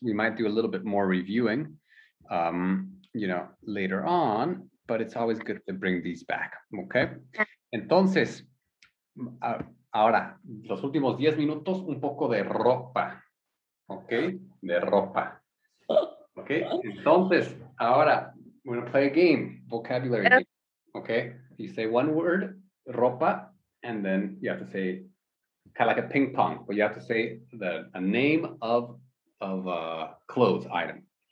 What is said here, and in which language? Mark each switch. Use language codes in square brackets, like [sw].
[en] We might do a little bit more reviewing, you know, later on, but it's always good to bring these back. Okay. Entonces, ahora, los últimos 10 minutos, un poco de ropa. Okay. [es] De ropa. [en] Okay. [es] Entonces, ahora, [en] we're going to play a game, vocabulary game. Okay. You say one word, ropa, and then you have to say, kind of like a ping pong, but you have to say a name of a clothes item.